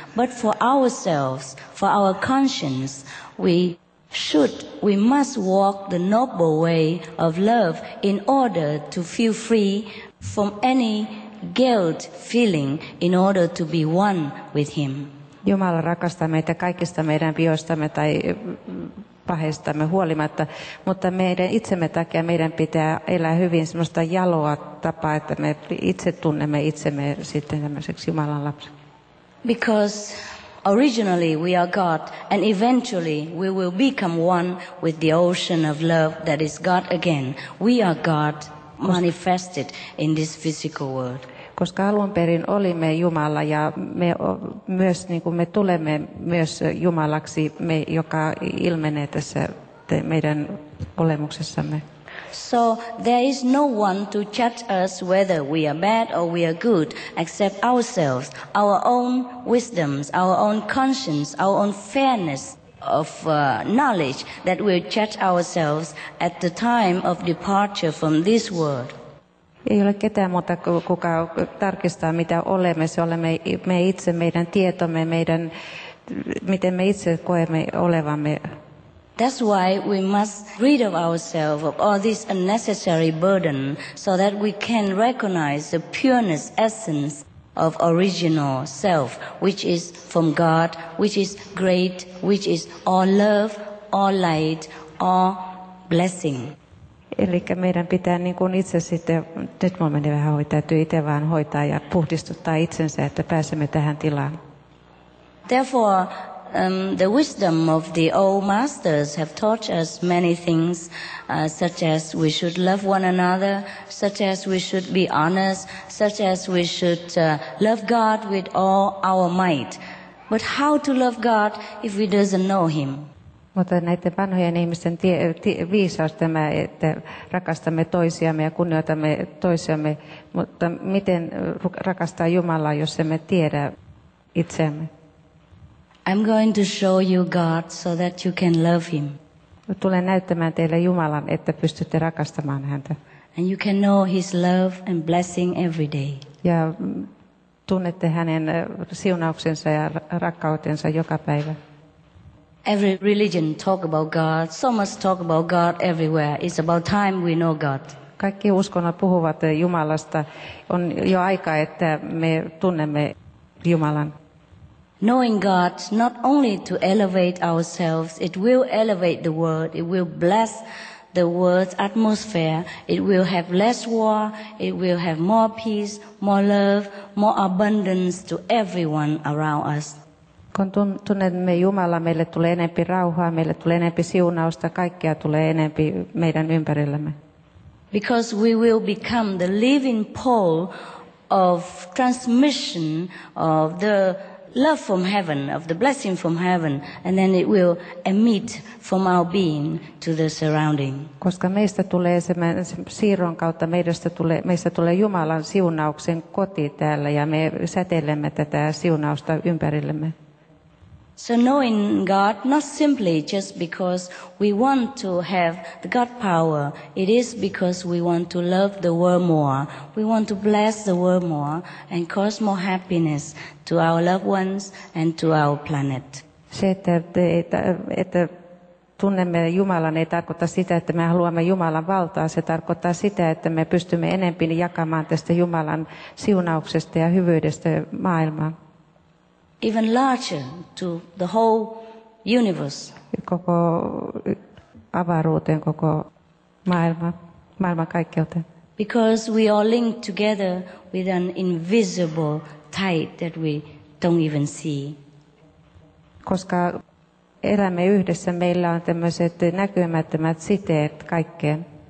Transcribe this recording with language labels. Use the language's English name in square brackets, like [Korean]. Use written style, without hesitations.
[English] But for ourselves, for our conscience, we must walk the noble way of love in order to feel free from any guilt feeling, in order to be one with Him. [Finnish] Jumala rakastaa meitä kaikista meidän vioistamme tai paheistamme huolimatta, mutta meidän itsemme takia meidän pitää elää hyvin semmoista jaloa tapaa, että me itse tunnemme itsemme sitten tämmöiseksi Jumalan lapseksi. [English] Because originally we are God, and eventually we will become one with the ocean of love that is God again. We are God manifested in this physical world. [Finnish] Koska alun perin olimme Jumala, ja me myös niin kuin me tulemme myös Jumalaksi, me joka ilmenee tässä meidän olemuksessamme. [English] So there is no one to judge us whether we are bad or we are good, except ourselves, our own wisdoms, our own conscience, our own fairness of knowledge that we judge ourselves at the time of departure from this world. [Finnish] Ei ole ketään muuta, kuka tarkistaa, mitä olemme. Se olemme me itse, meidän tietomme, meidän, miten me itse koemme olevamme. [English] That's why we must rid of ourselves of all this unnecessary burden, so that we can recognize the pureness essence of original self, which is from God, which is great, which is all love, all light, all blessing. [Finnish] Eli meidän pitää niin kuin itse sitten, nyt minulla meni vähän hoitaa, täytyy itse vaan hoitaa ja puhdistuttaa itsensä, että pääsemme tähän tilaan. [English] Therefore, the wisdom of the old masters have taught us many things, such as we should love one another, such as we should be honest, such as we should love God with all our might. But how to love God if we doesn't know Him? [Finnish] Mutta näiden vanhojen ihmisten viisaus tämä, että rakastamme toisiamme ja kunnioitamme toisiamme, mutta miten rakastaa Jumalaa, jos emme tiedä itseämme? [English] I'm going to show you God so that you can love Him. [Finnish] Tulen näyttämään teille Jumalan, että pystytte rakastamaan häntä. [English] And you can know His love and blessing every day. [Finnish] Ja tunnette hänen siunauksensa ja rakkautensa joka päivä. [English] Every religion talk about God. So much talk about God everywhere. It's about time we know God. [Finnish] Kaikki uskonnot puhuvat Jumalasta. On jo aika, että me tunnemme Jumalan. [English] Knowing God, not only to elevate ourselves, it will elevate the world. It will bless the world's atmosphere. It will have less war. It will have more peace, more love, more abundance to everyone around us. [Finnish] Kun tunnemme Jumala, meille tulee enempi rauhaa, meille tulee enempi siunausta, kaikkea tulee enempi meidän ympärillämme. [English] Because we will become the living pole of transmission of the love from heaven, of the blessing from heaven, and then it will emit from our being to the surrounding. [Finnish] Koska meistä tulee siirron kautta, meistä tulee Jumalan siunauksen koti täällä, ja me säteilemme tätä siunausta ympärillämme. [English] So knowing God, not simply just because we want to have the God power, it is because we want to love the world more, we want to bless the world more, and cause more happiness to our loved ones and to our planet. [Finnish] Se, että tunnemme Jumalan, ei tarkoita sitä, että me haluamme Jumalan valtaa, se tarkoittaa sitä, että me pystymme enemmän jakamaan tästä Jumalan siunauksesta ja hyvyydestä maailmaan. [English] Even larger to the whole universe. [Finnish] Koko avaruuteen, koko maailman kaikkeuteen. [English] Because we are linked together with an invisible tie that we don't even see. [Finnish] Koska elämme yhdessä, meillä on tämmöiset näkymättömät siteet kaikkeen.